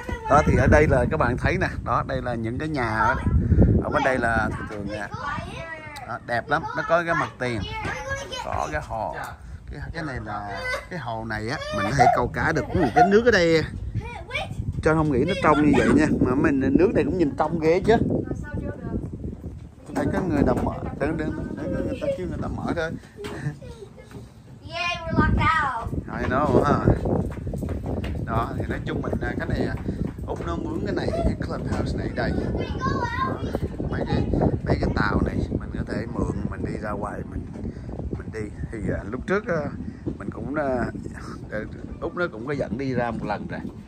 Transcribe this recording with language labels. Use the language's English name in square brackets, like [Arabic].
[Vietnamese] Đó thì ở đây là các bạn thấy nè, đó đây là những cái nhà ở bên đây là thường thường nè, đẹp lắm, nó có cái mặt tiền, có cái hồ, cái này là cái hồ này á, mình có thể câu cá được. Cái nước ở đây, cho không nghĩ nó trong như vậy nha, mà mình nước này cũng nhìn trong ghê chứ. Thấy có người đập mở, thấy có người ta kêu người ta mở thôi. [English] Yay, we're locked out. I know, huh? [Vietnamese] Đó, thì nói chung mình cái này Úc nó mướn cái này, cái clubhouse này đây. Mấy cái tàu này mình có thể mượn, mình đi ra ngoài mình đi. Thì lúc trước mình cũng Úc nó cũng có dẫn đi ra một lần rồi.